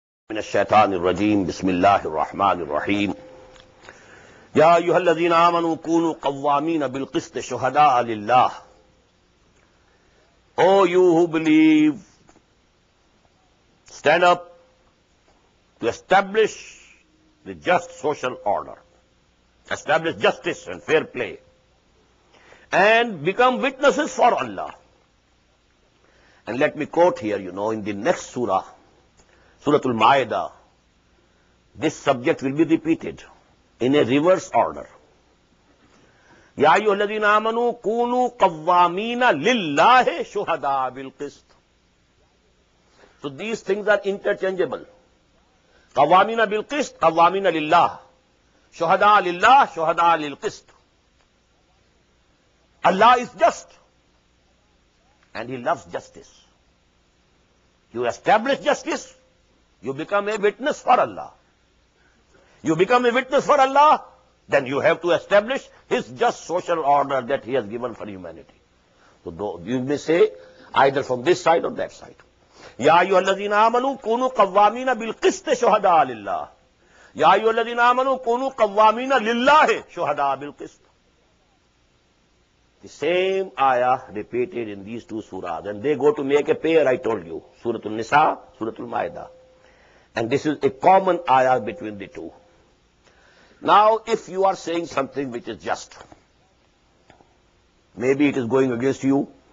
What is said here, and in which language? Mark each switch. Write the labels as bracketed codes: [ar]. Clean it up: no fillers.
[ar] من الشيطان الرجيم. بسم الله الرحمن الرحيم. يا أيها الذين آمنوا كونوا قوامين بالقسط شهداء لله. [en] Oh, you who believe, stand up to establish the just social order, establish justice and fair play, and become witnesses for Allah. And let me quote here, you know, in the next surah, Suratul Ma'idah, this subject will be repeated in a reverse order. [ar] يا أيها الذين آمنوا كونوا قوامين لله شهداء بالقسط. [en] So these things are interchangeable. [ar] قوامين بالقسط, قوامين لله. شهداء لله, شهداء للقسط. [en] Allah is just and He loves justice. You establish justice, you become a witness for Allah. You become a witness for Allah, then you have to establish His just social order that He has given for humanity. So you may say either from this side or that side. [ar] يا أيها الذين آمنوا كونوا قوامين بالقسط شهداء لله. يا أيها الذين آمنوا كونوا قوامين لله شهداء بالقسط. [en] The same ayah repeated in these two surahs, and they go to make a pair. I told you, Suratul Nisa, Suratul Maida, and this is a common ayah between the two. Now, if you are saying something which is just, maybe it is going against you.